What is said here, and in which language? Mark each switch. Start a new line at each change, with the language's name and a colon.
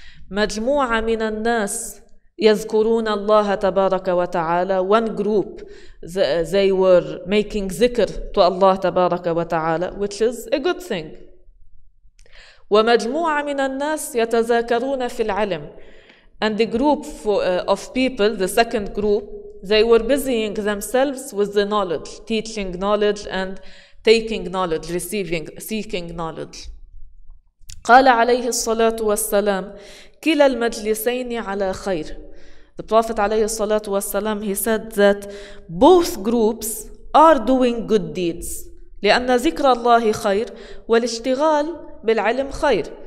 Arabic: مجموعة من الناس يذكرون الله تبارك وتعالى.
English: One group they were making ذكر to الله تبارك وتعالى, which is a good thing.
Arabic: ومجموعة من الناس يتذاكرون في العلم.
English: And the group of people, the second group, they were busying themselves with the knowledge, teaching knowledge and taking knowledge, receiving, seeking knowledge.
Arabic: قال عليه الصلاة والسلام كلا المجلسين على خير.
English: The Prophet عليه الصلاة والسلام, he said that both groups are doing good deeds.
Arabic: لأن ذكر الله خير والاشتغال بالعلم خير.